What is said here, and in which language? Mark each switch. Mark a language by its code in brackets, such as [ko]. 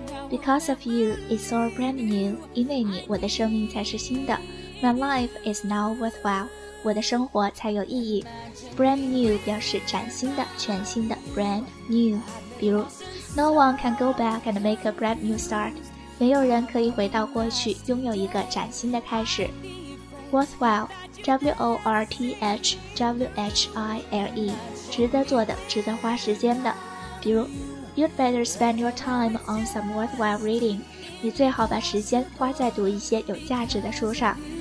[en] Because of you, it's all brand new. [zh] 因为你，我的生命才是新的。 [en] My life is now worthwhile. [zh] 我的生活才有意义。 Brand new 表示崭新的、全新的。 [en] Brand new. [zh] 比如 [en] ,No one can go back and make a brand new start. [zh] 没有人可以回到过去拥有一个崭新的开始。 [en] Worthwhile, W-O-R-T-H-W-H-I-L-E. [zh] 值得做的、值得花时间的。比如 [en] You'd better spend your time on some worthwhile reading. [zh] 你最好把时间花在读一些有价值的书上。